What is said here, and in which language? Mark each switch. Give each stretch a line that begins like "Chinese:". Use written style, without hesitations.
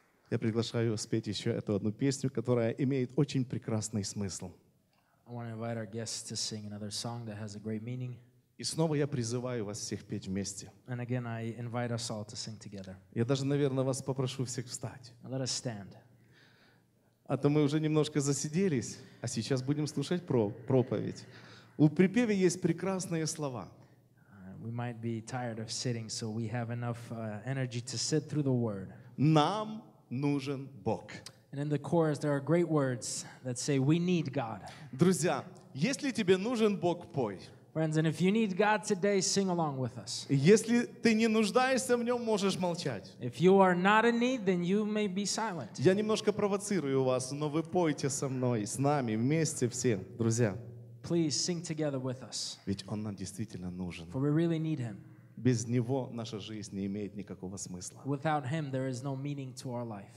Russian: Я приглашаю спеть еще эту одну песню, которая имеет очень прекрасный смысл.
English: I want to invite our guests to sing another song that has a great meaning.
Russian: И снова я призываю вас всех петь вместе.
English: And again, I invite us all to sing together.
Russian: Я даже, наверное, вас попрошу всех встать.
English: Let us stand.
Russian: А то мы уже немножко засиделись, а сейчас будем слушать проповедь. У припеве есть прекрасные слова.
English: We might be tired of sitting, so we have enough energy to sit through the word.
Russian: Нам нужен Бог.
English: And in the chorus there are great words that say we need God.
Russian: Друзья, если тебе нужен Бог, пой.
English: Friends, and if you need God today, sing along with us.
Russian: Если ты не нуждаешься в нем, можешь молчать.
English: If you are not in need, then you may be silent.
Russian: Я немножко провоцирую вас, но вы пойте со мной, с нами, вместе все, друзья.
English: Please sing together with us.
Russian: Ведь он нам действительно нужен.
English: For we really need him.
Russian: Без него наша жизнь не имеет никакого смысла.
English: Without him, there is no meaning to our life.